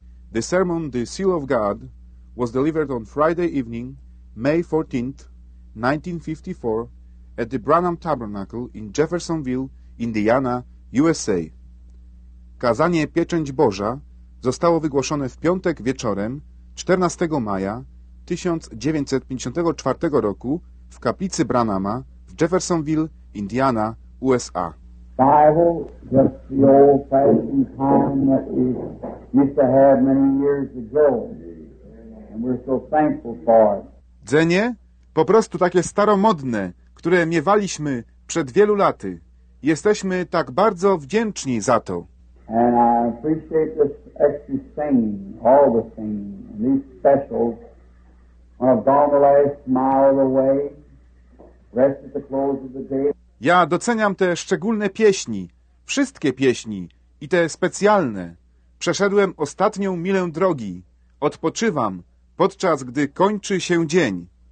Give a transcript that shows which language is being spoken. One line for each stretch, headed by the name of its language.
English: The sermon, The Seal of God, was delivered on Friday evening, May 14, 1954, at the Branham Tabernacle in Jeffersonville, Indiana, USA.
Polish: Kazanie Pieczęć Boża zostało wygłoszone w piątek wieczorem 14 maja 1954 roku w kaplicy Branhama w Jeffersonville, Indiana, USA.
English: Bible, just the old-fashioned kind that we used to have many years ago, and we're so thankful for it.
Polish: Dzenie, po prostu takie staromodne, które miewaliśmy przed wielu laty. Jesteśmy tak bardzo wdzięczni za to.
English: And I appreciate this extra singing, all the singing, these specials. When I've gone the last mile away, rest at the close of the day.
Polish: Ja doceniam te szczególne pieśni, wszystkie pieśni i te specjalne. Przeszedłem ostatnią milę drogi. Odpoczywam, podczas gdy kończy się dzień.